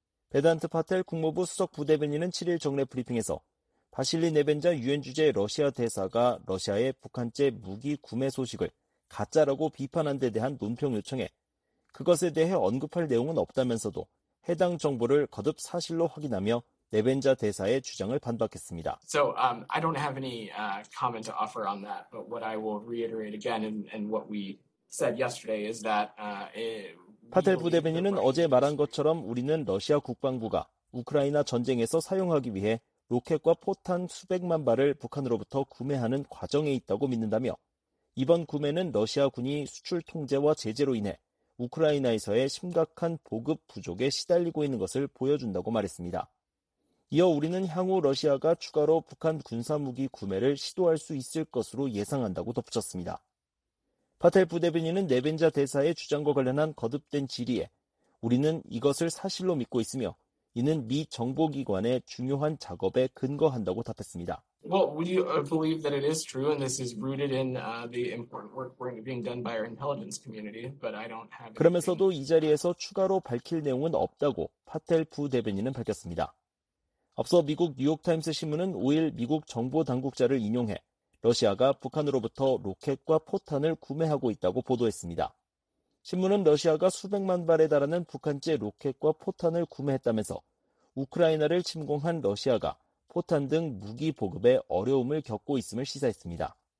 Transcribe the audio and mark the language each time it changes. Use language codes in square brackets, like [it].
[ko] 베단트 파텔 국무부 수석 부대변인은 7일 정례 브리핑에서 바실리 네벤자 유엔 주재 러시아 대사가 러시아의 북한제 무기 구매 소식을 가짜라고 비판한 데 대한 논평 요청에 그것에 대해 언급할 내용은 없다면서도 해당 정보를 거듭 사실로 확인하며 네벤자 대사의 주장을 반박했습니다. [en] So, I don't have any comment to offer on that, but what I will reiterate again and what we said yesterday is that [ko] 파텔 부대변인은 어제 말한 것처럼 우리는 러시아 국방부가 우크라이나 전쟁에서 사용하기 위해 로켓과 포탄 수백만 발을 북한으로부터 구매하는 과정에 있다고 믿는다며 이번 구매는 러시아 군이 수출 통제와 제재로 인해 우크라이나에서의 심각한 보급 부족에 시달리고 있는 것을 보여준다고 말했습니다. 이어 우리는 향후 러시아가 추가로 북한 군사무기 구매를 시도할 수 있을 것으로 예상한다고 덧붙였습니다. 파텔 부대변인은 네벤자 대사의 주장과 관련한 거듭된 질의에 우리는 이것을 사실로 믿고 있으며 이는 미 정보기관의 중요한 작업에 근거한다고 답했습니다. [en] Well, we believe that it is true and this is rooted in the important work being done by our intelligence community, but I don't have [ko] 그러면서도 이 자리에서 추가로 밝힐 내용은 없다고 파텔 부대변인은 밝혔습니다. 앞서 미국 뉴욕타임스 신문은 5일 미국 정보 당국자를 인용해 러시아가 북한으로부터 로켓과 포탄을 구매하고 있다고 보도했습니다. 신문은 러시아가 수백만 발에 달하는 북한제 로켓과 포탄을 구매했다면서 우크라이나를 침공한 러시아가 포탄 등 무기 보급에 어려움을 겪고 있음을 시사했습니다.